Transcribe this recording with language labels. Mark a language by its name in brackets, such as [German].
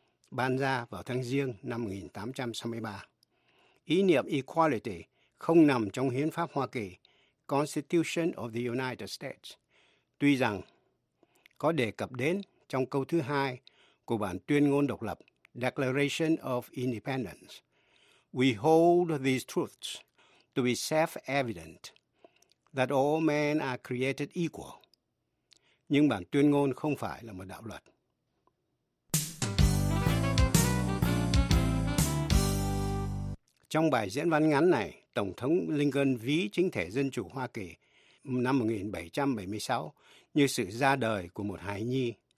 [Vietnamese] Ban ra vào tháng Giêng năm 1863. Ý niệm equality không nằm trong Hiến pháp Hoa Kỳ, Constitution of the United States, tuy rằng có đề cập đến trong câu thứ 2 của bản tuyên ngôn độc lập, Declaration of Independence. [English] We hold these truths to be self-evident, that all men are created equal. [Vietnamese] Nhưng bản tuyên ngôn không phải là một đạo luật. Trong bài diễn văn ngắn này, Tổng thống Lincoln ví chính thể dân chủ Hoa Kỳ năm 1776 như sự ra đời của một hài nhi.